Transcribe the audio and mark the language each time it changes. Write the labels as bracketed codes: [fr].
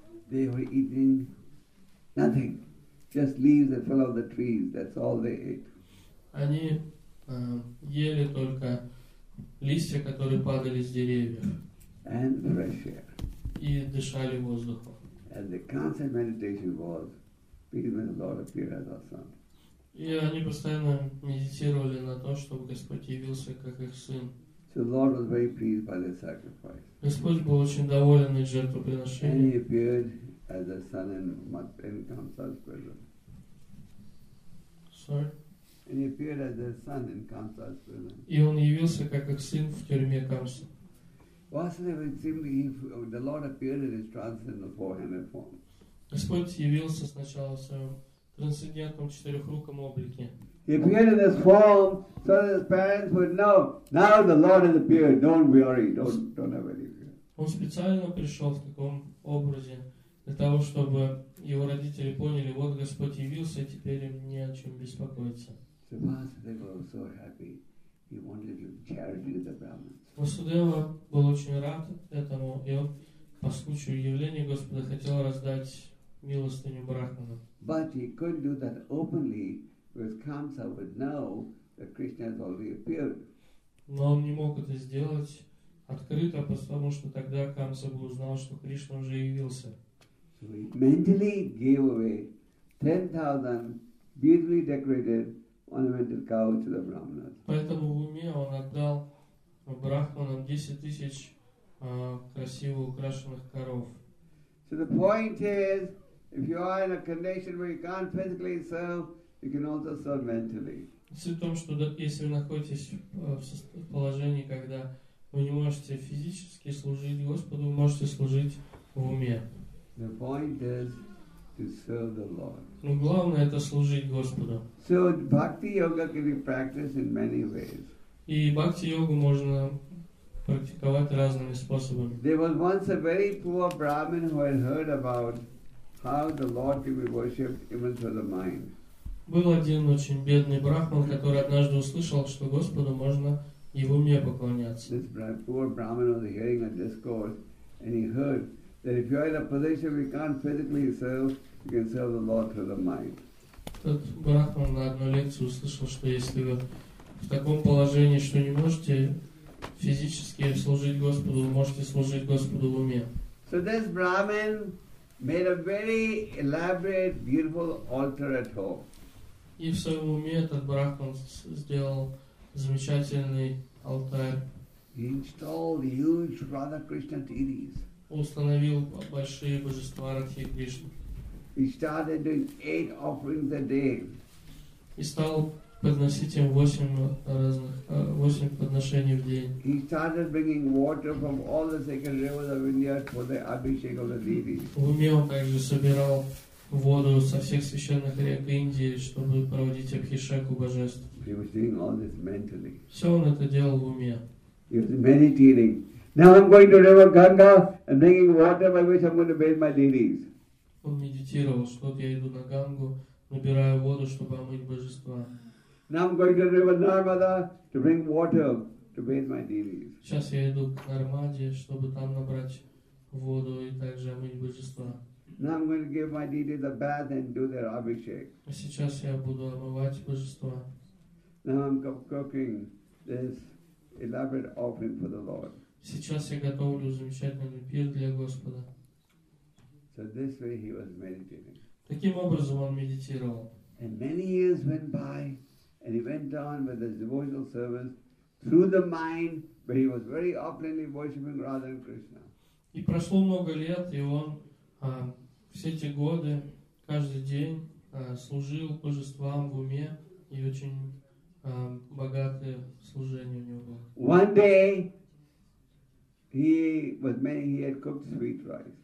[en] They were eating nothing, just leaves that fell off the trees. That's all they ate. [ru] Они ели только листья, которые падали с деревьев. [en] And fresh air. [ru] И дышали воздухом. [en] And the constant meditation was, please when the Lord appear as our son. [ru] И они постоянно медитировали на то, чтобы Господь явился как их сын. [en] So the Lord was very pleased by their sacrifice. [ru] Господь был очень доволен их жертвоприношением. [en] And he appeared as the son in Kamsa's prison. Sorry. And he appeared as the son in Kamsa's prison. [ru] И он явился как их сын в тюрьме Камса. [en] Vasudeva, it seemed he, the Lord appeared in his transcendental four-handed form. [ru] Господь явился сначала в своем трансцендентном четырехруком облике. [en] He appeared in this form so that his parents would know. Now the Lord has appeared. Don't worry. Don't have any fear. [ru] Он специально пришел в таком образе для того, чтобы его родители поняли, вот Господь явился, теперь им не о чем беспокоиться. [en] So Vasudeva was so happy. He wanted to charity to the Brahmins. [ru] Vasudeva был очень рад этому, и он по случаю явления Господа хотел раздать милостыню брахманам. [en] But he couldn't do that openly, because Kamsa would know that Krishna has already appeared. [ru] Но он не мог это сделать открыто, потому что тогда Камса бы узнал, что Кришна уже явился. [en] So he mentally gave away 10,000 beautifully decorated ornamental cows to the Brahmanas. [ru] Поэтому в уме он отдал брахманам 10,000 красиво украшенных коров. [en] So the point is, if you are in a condition where you can't physically serve, you can also serve mentally. [ru] Суть в том, что если вы находитесь в положении, когда вы не можете физически служить Господу, вы можете служить в уме. [en] The point is to serve the Lord. [ru] Но главное это служить Господу. [en] So bhakti yoga can be practiced in many ways. [ru] И бхакти йогу можно практиковать разными способами. [en] There was once a very poor Brahmin who had heard about how the Lord can be worshipped even through the mind. [ru] Был один очень бедный брахман, который однажды услышал, что Господу можно и в уме поклоняться. [en] This poor Brahmin was hearing a discourse, and he heard that if you're in a position where you can't physically serve, you can serve the Lord through the mind. [ru] Тот брахман на одной лекции услышал, что если вы в таком положении, что не можете физически служить Господу, вы можете служить Господу в уме. [en] So this Brahmin made a very elaborate, beautiful altar at home. [ru] И в своем уме этот брахман сделал замечательный алтарь. [en] He installed huge Radha Krishna deities. [ru] Установил большие божества Радхи Кришны. [en] He started doing 8 offerings a day. [ru] И стал подносить им 8 подношений в день. [en] He started bringing water from all the sacred rivers of India for the Abhishek of the deities. [ru] В уме он также собирал воду со всех священных рек Индии, чтобы проводить Абхишеку божеству. [en] He was doing all this mentally. [ru] Все он это делал в уме. [en] He was meditating. Now I'm going to river Ganga and bringing water by which I'm going to bathe my deities. [ru] Он медитировал, что я иду на Гангу, набираю воду, чтобы омыть божества. [en] Now I'm going to river Narmada to bring water to bathe my deities. [ru] Сейчас я иду к Нармаде, чтобы там набрать воду и также омыть божества. [en] Now I'm going to give my deities a bath and do their abhishek. [ru] Сейчас я буду омывать божества. [en] Now I'm cooking this elaborate offering for the Lord. [ru] Сейчас я готовлю замечательный пир для Господа. [en] So this way he was meditating. [ru] Таким образом он медитировал. [en] And many years went by, and he went on with his devotional service through the mind, but he was very openly worshiping Radha and Krishna. [ru] И прошло много лет, и он все эти годы каждый день служил божествам в уме и очень богатое служение у него было. [en] One day he was making, he had cooked sweet rice.